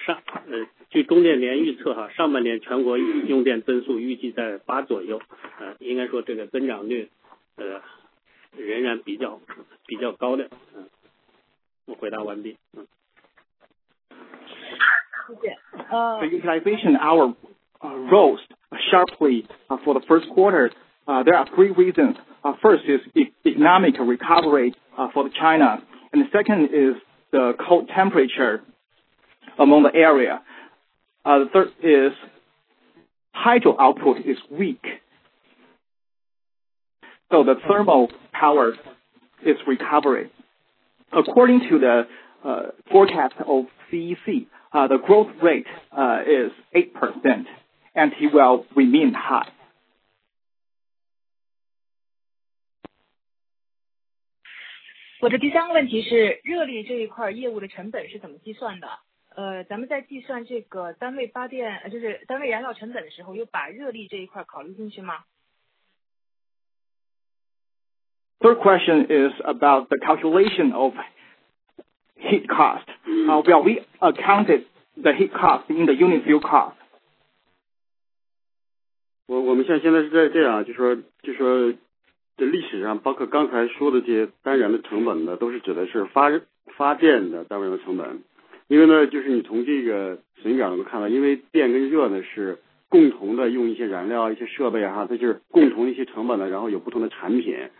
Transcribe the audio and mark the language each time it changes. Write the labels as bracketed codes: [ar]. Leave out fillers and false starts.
[zh] 上据中电联预测哈，上半年全国用电增速预计在8左右，应该说这个增长率仍然比较高的。我回答完毕。谢谢。 [en] The utilization hour rose sharply for the first quarter. There are three reasons. First is economic recovery for China, and the second is the cold temperature among the area. The third is hydro output is weak. So the thermal power is recovering. According to the forecast of CEC, the growth rate is 8%. And he will remain high. [zh] 我的第三个问题是，热力这一块业务的成本是怎么计算的？咱们在计算这个单位发电，就是单位燃料成本的时候，又把热力这一块考虑进去吗？ [en] Third question is about the calculation of heat cost. Well, we accounted the heat cost in the unit fuel cost. [zh] 我们现在是在这样，就说的历史上，包括刚才说的这些单燃的成本呢，都是指的是发电的单燃的成本。因为呢，就是你从这个损益表能够看到，因为电跟热呢是共同的用一些燃料、一些设备哈，它就是共同一些成本呢，然后有不同的产品。